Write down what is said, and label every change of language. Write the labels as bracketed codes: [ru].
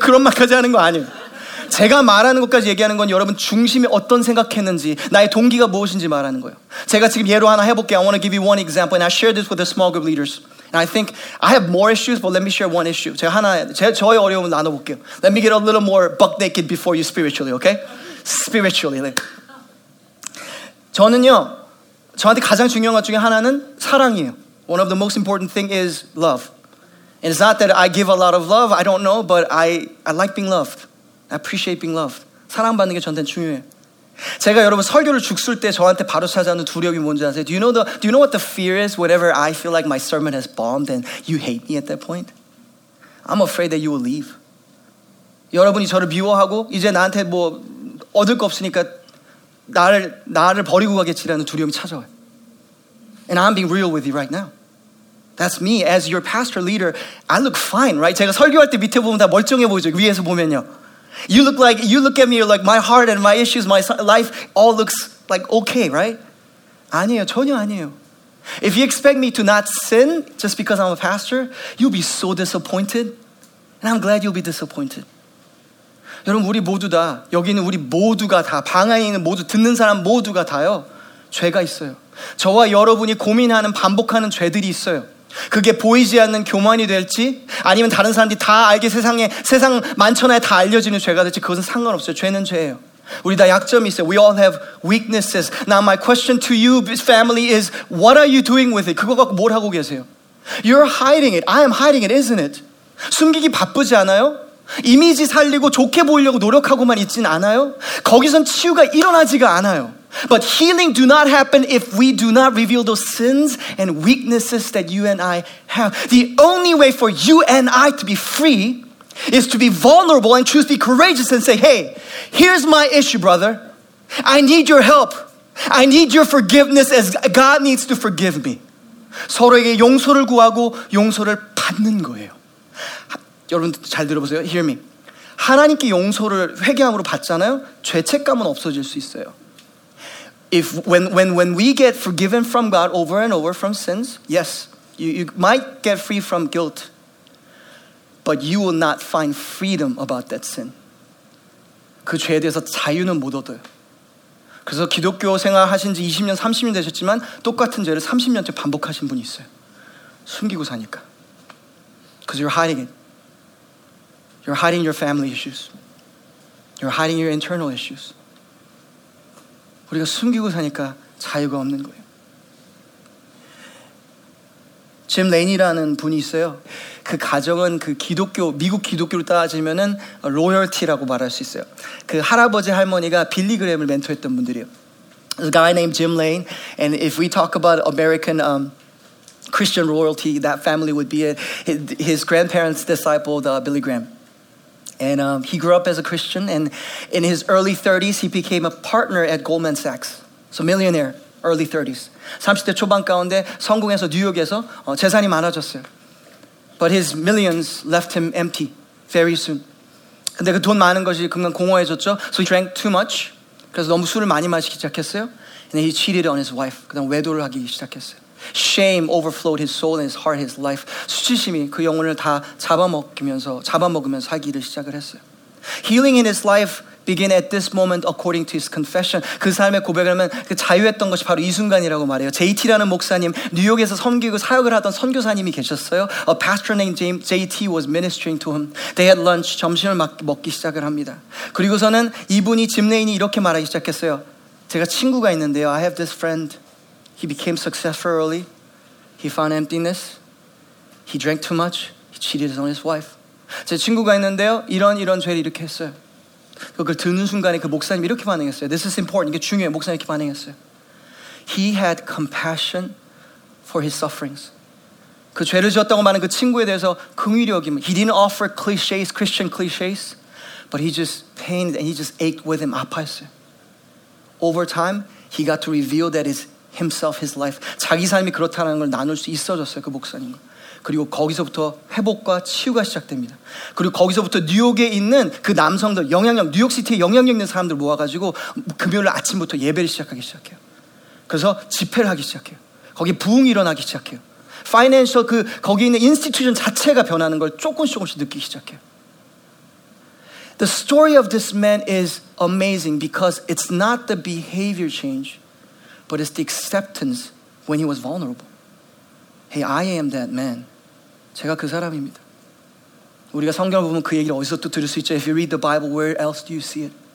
[ko] 그런 말까지 하는 거 아니에요. 제가 말하는 것까지 얘기하는 건 여러분 중심이 어떤 생각했는지 나의 동기가 무엇인지 말하는 거예요. 제가 지금 예로 하나 해볼게요. [en] I want to give you one example and I share this with the small group leaders. And I think I have more issues but let me share one issue. [ko] 제가 하나, 저의 어려움을 나눠볼게요. [en] Let me get a little more buck naked before you spiritually, okay? Spiritually. Like. [ko] 저는요, 저한테 가장 중요한 것 중에 하나는 사랑이에요. [en] One of the most important thing is love. And it's not that I give a lot of love, I don't know, but I like being loved. I appreciate being loved. [ko] 사랑받는 게 저한테 중요해요. 제가 여러분 설교를 죽쓸 때 저한테 바로 찾아오는 두려움이 뭔지 아세요? [en] Do you know what the fear is whenever I feel like my sermon has bombed and you hate me at that point? I'm afraid that you will leave. [ko] 여러분이 저를 미워하고 이제 나한테 뭐 얻을 거 없으니까 나를 버리고 가겠지라는 두려움이 찾아와요. [en] And I'm being real with you right now. That's me as your pastor leader. I look fine, right? [ko] 제가 설교할 때 밑에 보면 다 멀쩡해 보이죠. 위에서 보면요. [en] You look like you look at me. You're like my heart and my issues, my life all looks like okay, right? [ko] 아니에요, 전혀 아니에요. [en] If you expect me to not sin just because I'm a pastor, you'll be so disappointed. And I'm glad you'll be disappointed. [ko] 여러분 우리 모두 다 여기 있는 우리 모두가 다 방향에 있는 모두 듣는 사람 모두가 다요 죄가 있어요. 저와 여러분이 고민하는 반복하는 죄들이 있어요. 그게 보이지 않는 교만이 될지 아니면 다른 사람들이 다 알게 세상 만천하에 다 알려지는 죄가 될지 그것은 상관없어요. 죄는 죄예요. 우리 다 약점이 있어요. [en] We all have weaknesses. Now my question to you, family, is what are you doing with it? [ko] 그거 갖고 뭘 하고 계세요? [en] You're hiding it. I am hiding it, isn't it? [ko] 숨기기 바쁘지 않아요? 이미지 살리고 좋게 보이려고 노력하고만 있진 않아요? 거기선 치유가 일어나지가 않아요. [en] But healing do not happen if we do not reveal those sins and weaknesses that you and I have. The only way for you and I to be free is to be vulnerable and choose to be courageous and say, hey, here's my issue, brother. I need your help. I need your forgiveness as God needs to forgive me. [ko] 서로에게 용서를 구하고 용서를 받는 거예요. 여러분 잘 들어보세요. [en] Hear me. [ko] 하나님께 용서를 회개함으로 받잖아요. 죄책감은 없어질 수 있어요. [en] If when we get forgiven from God over and over from sins, yes, you might get free from guilt. But you will not find freedom about that sin. [ko] 그 죄에 대해서 자유는 못 얻어요. 그래서 기독교 생활하신 지 20년, 30년 되셨지만 똑같은 죄를 30년째 반복하신 분이 있어요. 숨기고 사니까. [en] Because you're hiding it. You're hiding your family issues. You're hiding your internal issues. [ko] 우리가 숨기고 사니까 자유가 없는 거예요. 짐 레인이라는 분이 있어요. 그 가정은 그 기독교, 미국 기독교를 따지면은 로열티라고 말할 수 있어요. 그 할아버지 할머니가 빌리 그램을 멘토했던 분들이에요. [en] There's a guy named Jim Lane, and if we talk about American Christian royalty, that family would be it. His grandparents discipled Billy Graham. And he grew up as a Christian, and in his early 30s, he became a partner at Goldman Sachs. So millionaire, early 30s. [ko] 30대 초반 가운데 성공해서 뉴욕에서 재산이 많아졌어요. [en] But his millions left him empty very soon. [ko] 근데 그 돈 많은 것이 금방 공허해졌죠. [en] So he drank too much. [ko] 그래서 너무 술을 많이 마시기 시작했어요. [en] And then he cheated on his wife. [ko] 그 다음 외도를 하기 시작했어요. [en] Shame overflowed his soul and his heart, his life. [ko] 수치심이 그 영혼을 다 잡아먹으면서 살기를 시작을 했어요. [en] Healing in his life began at this moment according to his confession. [ko] 그 삶의 고백을 하면 그 자유했던 것이 바로 이 순간이라고 말해요. JT라는 목사님, 뉴욕에서 섬기고 사역을 하던 선교사님이 계셨어요. [en] A pastor named JT was ministering to him. They had lunch, [ko] 점심을 먹기 시작을 합니다. 그리고서는 이분이 짐 레인이 이렇게 말하기 시작했어요. 제가 친구가 있는데요. [en] I have this friend. He became successful early. He found emptiness. He drank too much. He cheated on his wife. [ko] 제 친구가 있는데요. 이런 죄를 이렇게 했어요. 그걸 듣는 순간에 그 목사님이 이렇게 반응했어요. [en] This is important. [ko] 이게 중요해요. 목사님이 이렇게 반응했어요. [en] He had compassion for his sufferings. [ko] 그 죄를 지었다고 말하는 그 친구에 대해서 긍휼이 여김. [en] He didn't offer cliches, Christian cliches. But he just pained and he just ached with him. [ko] 아파했어요. [en] Over time, he got to reveal that his himself, his life. [ko] 자기 삶이 그렇다는 걸 나눌 수 있어졌어요, 그 목사님과. 그리고 거기서부터 회복과 치유가 시작됩니다. 그리고 거기서부터 뉴욕에 있는 그 남성들, 영향력, 뉴욕시티에 영향력 있는 사람들 모아가지고 금요일 아침부터 예배를 시작하기 시작해요. 그래서 집회를 하기 시작해요. 거기에 부흥이 일어나기 시작해요. 파이낸셜, 그 거기에 있는 인스티튜션 자체가 변하는 걸 조금씩 느끼기 시작해요. [en] The story of this man is amazing because it's not the behavior change. But it's the acceptance when he was vulnerable. Hey, I am that man. [ko] 제가 그 사람입니다. 우리가 성경을 보면 그 얘기를 어디서 또 들을 수 있죠? [en] If you read the Bible, where else do you see it?